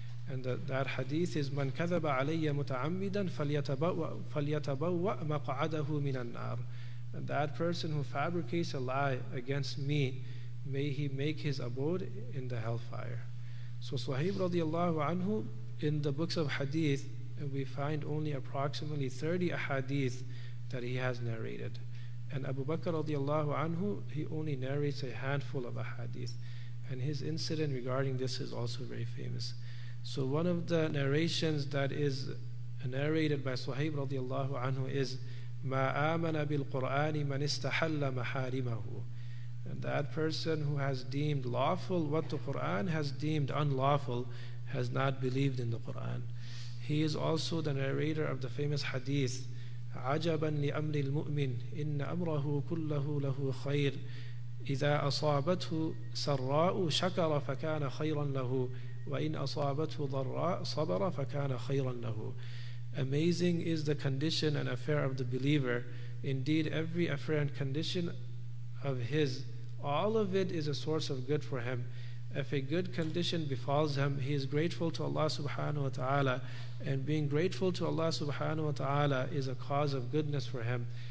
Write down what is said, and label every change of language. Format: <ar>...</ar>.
<en>And that hadith is,</en> <ar>مَنْ كَذَبَ عَلَيَّ مُتَعَمِّدًا فَلْيَتَبَوَّأْ مَقْعَدَهُ مِنَ النَّارِ.</ar> <en>And that person who fabricates a lie against me, may he make his abode in the hellfire. So Suhaib radiallahu anhu, in the books of hadith, we find only approximately 30 ahadith that he has narrated. And Abu Bakr radiallahu anhu, he only narrates a handful of ahadith. And his incident regarding this is also very famous. So one of the narrations that is narrated by Suhaib radiallahu anhu is,</en> <ar>مَا آمَنَ بِالْقُرْآنِ مَنِ اسْتَحَلَّ مَحَارِمَهُ.</ar> <en>And that person who has deemed lawful what the Qur'an has deemed unlawful has not believed in the Qur'an. He is also the narrator of the famous hadith,</en> <ar>عَجَبًا لِأَمْرِ الْمُؤْمِنِ إِنَّ أَمْرَهُ كُلَّهُ لَهُ خَيْرٌ إِذَا أَصَابَتْهُ سَرَّاءُ شَكَرَ فَكَانَ خَيْرًا لَهُ وَإِنْ أَصَابَتْهُ ضَرَّاءُ صَبَرَ فَكَانَ خَيْرًا لَهُ.</ar> <en>Amazing is the condition and affair of the believer. Indeed, every affair and condition of his, all of it is a source of good for him. If a good condition befalls him, he is grateful to Allah subhanahu wa ta'ala, and being grateful to Allah subhanahu wa ta'ala is a cause of goodness for him.</en>